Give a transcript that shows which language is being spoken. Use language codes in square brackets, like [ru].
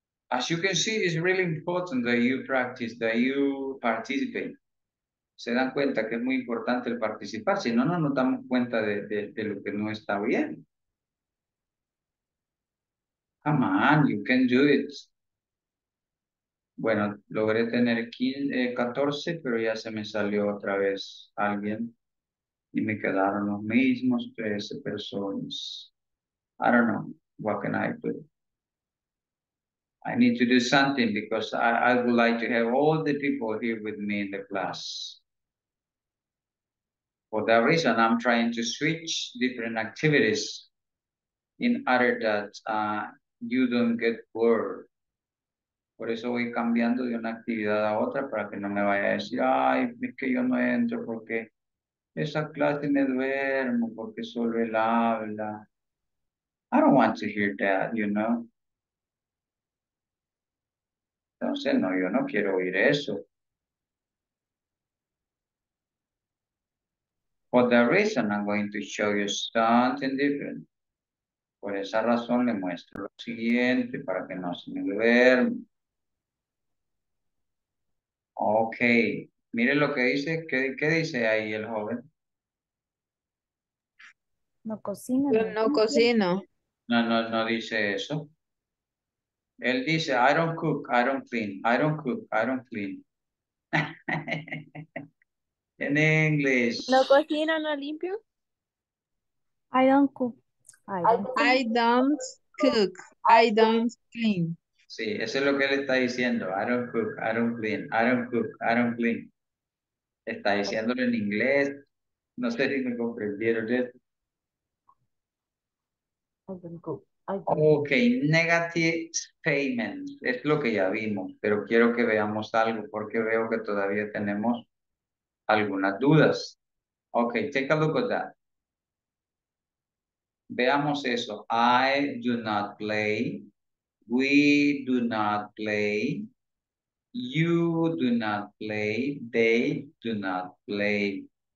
[en] As you can see, it's really important that you practice, that you participate. [es] Se dan cuenta que es muy importante el participar, si no, no nos damos cuenta de lo que no está bien. [en] Come on, you can do it. [es] Bueno, logré tener 14, pero ya se me salió otra vez alguien y me quedaron los mismos 13 personas. [en] I don't know, what can I do? I need to do something because I would like to have all the people here with me in the class. For that reason, I'm trying to switch different activities in order that you don't get bored. [es] Por eso voy cambiando de una actividad a otra para que no me vaya a decir, ay, es que yo no entro porque esa clase me duermo, porque solo él habla. [en] I don't want to hear that, you know. [es] Entonces, no, yo no quiero oír eso. [en] For that reason, I'm going to show you something different. [es] Por esa razón, le muestro lo siguiente para que no se me duerma. Ok. Mire lo que dice. ¿Qué dice ahí el joven? No cocina. Yo no cocino. No, no, no dice eso. Él dice, [en] I don't cook, I don't clean. I don't cook, I don't clean. In English. [es] No cocino, no limpio. [en] I don't cook. I don't cook, I don't clean. [es] Sí, eso es lo que él está diciendo. [en] I don't cook, I don't clean. I don't cook, I don't clean. [es] Está diciéndolo en inglés. No sé si me comprendieron esto. Ok, negative statements, es lo que ya vimos, pero quiero que veamos algo porque veo que todavía tenemos algunas dudas. [en] Ok, take a look at that. [es] Veamos eso. [en] I do not play, we do not play, you do not play, they do not play.